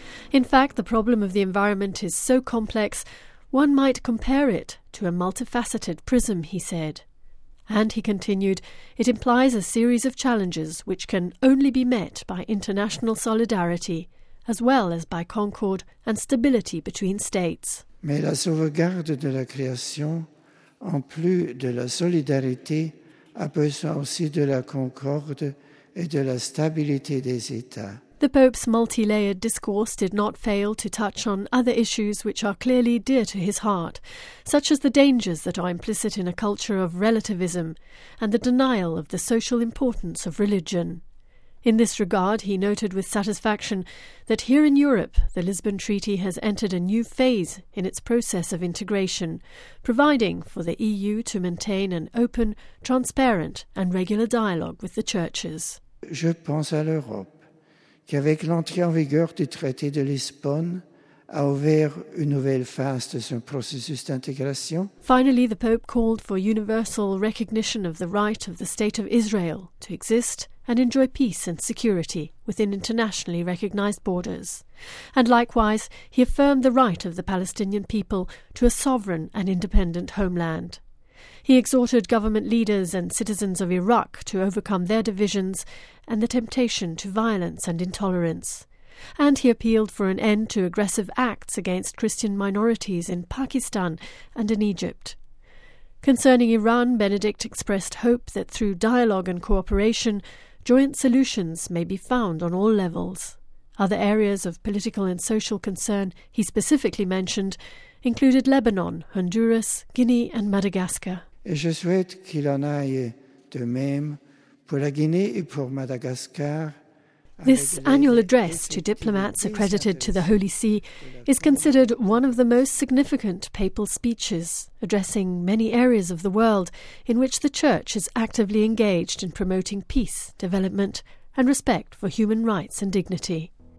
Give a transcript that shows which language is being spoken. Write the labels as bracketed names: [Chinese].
[English] In fact, the problem of the environment is so complex, one might compare it to a multifaceted prism, he said. And he continued, it implies a series of challenges which can only be met by international solidarity, as well as by concord and stability between states. [French] Mais la sauvegarde de la création, en plus de la solidarité, a besoin aussi de la concorde et de la stabilité des États. [English] The Pope's multi-layered discourse did not fail to touch on other issues which are clearly dear to his heart, such as the dangers that are implicit in a culture of relativism and the denial of the social importance of religion. In this regard, he noted with satisfaction that here in Europe, the Lisbon Treaty has entered a new phase in its process of integration, providing for the EU to maintain an open, transparent and regular dialogue with the churches. [French] Je pense à l'Europe. Qu'avec l'entrée en vigueur du traité de Lisbonne a ouvert une nouvelle phase de son processus d'intégration. [English] Finally, the Pope called for universal recognition of the right of the State of Israel to exist and enjoy peace and security within internationally recognized borders. And likewise, he affirmed the right of the Palestinian people to a sovereign and independent homeland. He exhorted government leaders and citizens of Iraq to overcome their divisions and the temptation to violence and intolerance. And he appealed for an end to aggressive acts against Christian minorities in Pakistan and in Egypt. Concerning Iran, Benedict expressed hope that through dialogue and cooperation, joint solutions may be found on all levels. Other areas of political and social concern he specifically mentioned included Lebanon, Honduras, Guinea and Madagascar. [French] Et je souhaite qu'il en aille de même pour la Guinée et pour Madagascar. [English] This annual address to diplomats accredited to the Holy See is considered one of the most significant papal speeches, addressing many areas of the world in which the Church is actively engaged in promoting peace, development and respect for human rights and dignity.